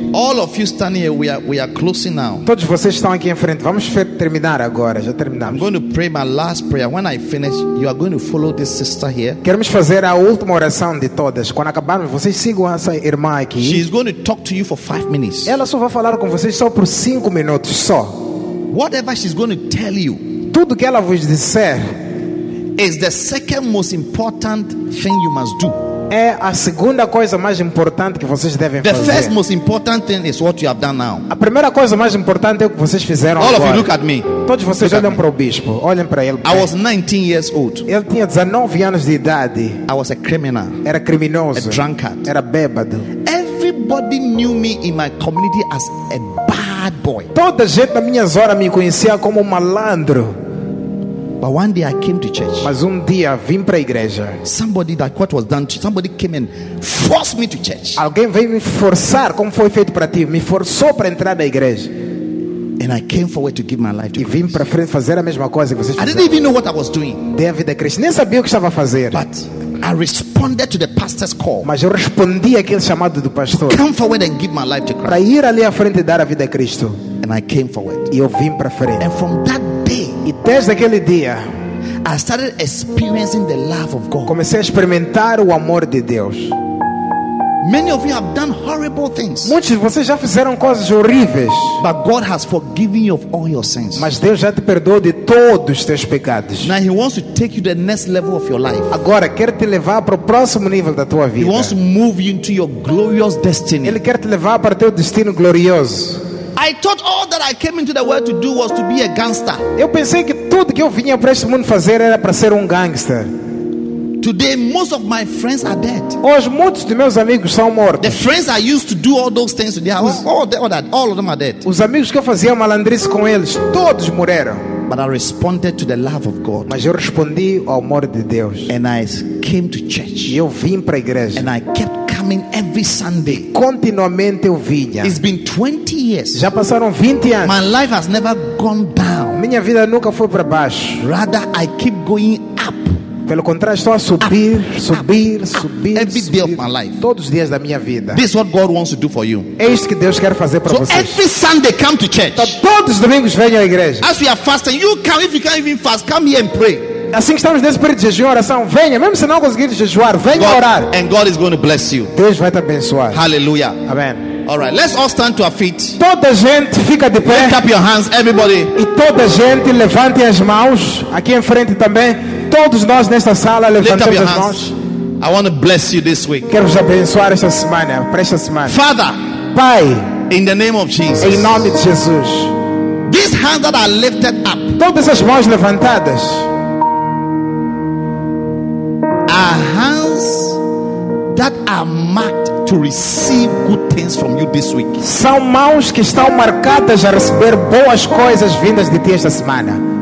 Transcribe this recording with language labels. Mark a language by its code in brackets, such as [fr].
[en] All of you standing here, we are closing now. [pt] Todos vocês estão aqui em frente. Vamos terminar agora. Já terminamos. [en] I'm going to pray my last prayer. When I finish, you are going to follow this sister here. [pt] Queremos fazer a última oração de todas. Quando acabarmos, vocês sigam essa irmã aqui. [en] She is going to talk to you for 5 minutes. [pt] Ela só vai falar com vocês só por 5 minutos só. [en] Whatever she's going to tell you. [pt] Tudo que ela vos disser [en] is the second most important thing you must do. [pt] é a segunda coisa mais importante que vocês devem fazer. [en] The first most important thing is what you have done now. [pt] A primeira coisa mais importante é o que vocês fizeram [en] All [pt] agora. [en] Of you look at me. [pt] Todos vocês [en] look [pt] olham para o bispo. Olhem para ele. [en] I was 19 years old. [pt] Ele tinha 19 anos de idade. [en] I was a criminal. [pt] Era criminoso. [en] A drunkard. [pt] Era bêbado. [en] Everybody knew me in my community as a bad boy. [pt] Toda gente na minha zona me conhecia como um malandro. [en] But one day I came to church. [pt] Mas dia vim para a igreja. [en] Somebody that what was done to somebody came and forced me to church. [pt] Alguém veio me forçar, como foi feito para ti, me forçou para entrar na igreja. [en] And I came forward to give my life to [pt] Christ. E vim para frente fazer a mesma coisa que vocês fizeram. [en] I didn't even know what I was doing. [pt] David the Christ, nem sabia o que estava a fazer. [en] But I responded to the pastor's call. [pt] Mas eu respondi àquele chamado do pastor. [en] To come forward and give my life to Christ. [pt] Para ir ali à frente e dar a vida a Cristo. [en] And I came forward. [pt] E eu vim para frente. [en] And from that day, [pt] e desde aquele dia, [en] I started experiencing the love of God. [pt] Comecei a experimentar o amor de Deus. [en] Many of you have done horrible things. [pt] Muitos de vocês já fizeram coisas horríveis. [en] But God has forgiven you of all your sins. [pt] Mas Deus já te perdoou de todos os teus pecados. [en] Now He wants to take you to the next level of your life. [pt] Agora quer te levar para o próximo nível da tua vida. [en] He wants to move you into your glorious destiny. [pt] Ele quer te levar para teu destino glorioso. [en] I thought all that I came into the world to do was to be a gangster. [pt] Eu pensei que tudo que eu vinha para este mundo fazer era para ser gangster. [en] Today, most of my friends are dead. [pt] Hoje, muitos de meus amigos são mortos. [en] The friends I used to do all those things with, all of them are dead. [pt] Os amigos que eu fazia malandrice com eles, todos morreram. [en] But I responded to the love of God. [pt] Mas eu respondi ao amor de Deus. [en] And I came to church. [pt] E eu vim para a igreja. [en] And I kept coming every Sunday. [pt] E continuamente eu vinha. [en] It's been 20 years. [pt] Já passaram 20 anos. [en] My life has never gone down. [pt] Minha vida nunca foi para baixo. [en] Rather, I keep going up. [pt] Pelo contrário, estou a subir, subir, subir, [en] every day of my life. [pt] Todos os dias da minha vida. [en] This is what God wants to do for you. [pt] É isso que Deus quer fazer para [en] so [pt] vocês. [en] Every Sunday come to church. [pt] Então, todos os domingos venha à igreja. [en] As we are fasting, you come, if you can't even fast, come here and pray. [pt] Assim que estamos nesse período de jejum e oração, venha, mesmo se não conseguir jejuar, venha [en] God, [pt] orar. [en] And God is going to bless you. [pt] Deus vai te abençoar. [en] Hallelujah. Amen. All right, let's all stand to our feet. [pt] Toda gente fica de pé. Lift up your hands, everybody. E toda gente levante as mãos aqui em frente também. Todos nós nesta sala levantamos as mãos. [en] I want to bless you this week. [pt] Quero vos abençoar esta semana, para esta semana. [en] Father, [pt] Pai, [en] in the name of Jesus. [pt] Em nome de Jesus. [en] These hands that are lifted up. [pt] Todas as mãos levantadas. [en] Are hands that are marked to receive good things from you this week. [pt] São mãos que estão marcadas a receber boas coisas vindas de ti esta semana.